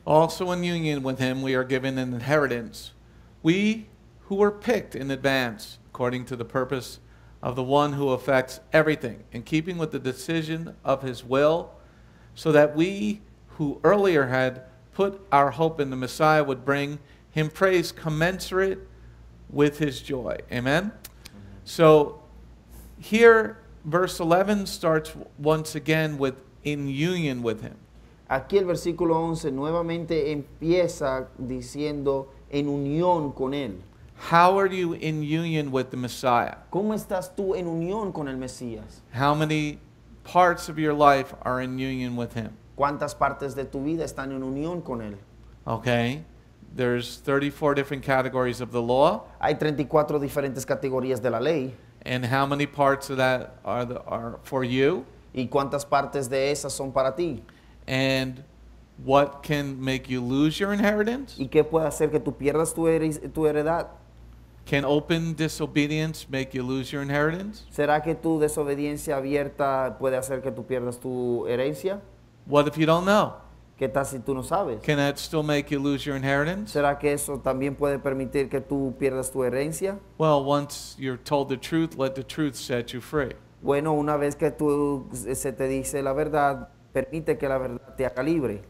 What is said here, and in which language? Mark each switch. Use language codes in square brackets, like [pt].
[en] Also in union with him, we are given an inheritance. We who were picked in advance, according to the purpose of the one who affects everything, in keeping with the decision of his will, so that we who earlier had put our hope in the Messiah would bring him praise commensurate with his joy. Amen? So here, verse 11 starts once again with in union with him. [es] Aquí el versículo 11 nuevamente empieza diciendo en unión con él. [en] How are you in union with the Messiah? [es] ¿Cómo estás tú en unión con el Mesías? [en] How many parts of your life are in union with him? [es] ¿Cuántas partes de tu vida están en unión con él? [en] Okay. There's 34 different categories of the law. [es] Hay 34 diferentes categorías de la ley. [en] And how many parts of that are for you? [es] ¿Y cuántas partes de esas son para ti? [en] And what can make you lose your inheritance? [es] ¿Y qué puede hacer que tú pierdas tu heredad? [en] Can open disobedience make you lose your inheritance? [es] ¿Será que tu desobediencia abierta puede hacer que tú pierdas tu herencia? [en] What if you don't know? [es] ¿Qué tal si tú no sabes? [en] Can that still make you lose your inheritance? [es] ¿Será que eso también puede permitir que tú pierdas tu herencia? [en] Well, once you're told the truth, let the truth set you free. [es] Bueno, una vez que tú se te dice la verdad, permite que la verdad te haga libre.